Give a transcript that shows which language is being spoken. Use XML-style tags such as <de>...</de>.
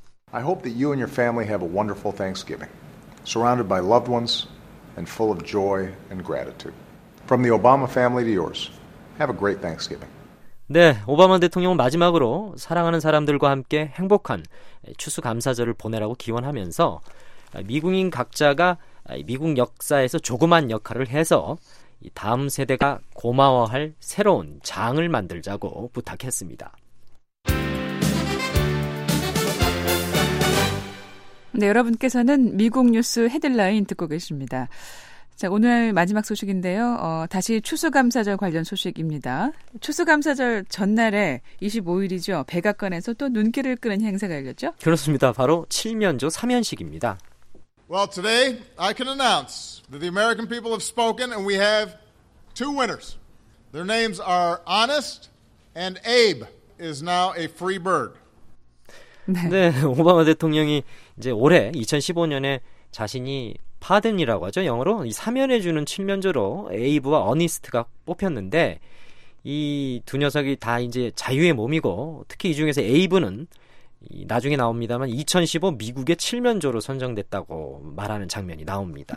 <en>I hope that you and your family have a wonderful Thanksgiving, surrounded by loved ones and full of joy and gratitude. From the Obama family to yours, have a great Thanksgiving.</en> <ko>네, 오바마 대통령은 마지막으로 사랑하는 사람들과 함께 행복한 추수감사절을 보내라고 기원하면서 미국인 각자가 미국 역사에서 조그만 역할을 해서 다음 세대가 고마워할 새로운 장을 만들자고 부탁했습니다. 네, 여러분께서는 미국 뉴스 헤드라인 듣고 계십니다. 자, 오늘 마지막 소식인데요. 다시 추수감사절 관련 소식입니다. 추수감사절 전날에 25일이죠. 백악관에서 또 눈길을 끄는 행사가 열렸죠? 그렇습니다. 바로 칠면조 3연식입니다.</ko> <en>Well, today I can announce that the American people have spoken and we have two winners. Their names are Honest and Abe is now a free bird.</en> <ko>네. 네, 오바마 대통령이 이제 올해 2015년에 자신이 파든이라고 하죠. 영어로 이 사면해주는 칠면조로 에이브와 어니스트가 뽑혔는데 이 두 녀석이 다 이제 자유의 몸이고 특히 이 중에서 에이브는 나중에 나옵니다만 2015 미국의 칠면조로 선정됐다고 말하는 장면이 나옵니다.</ko>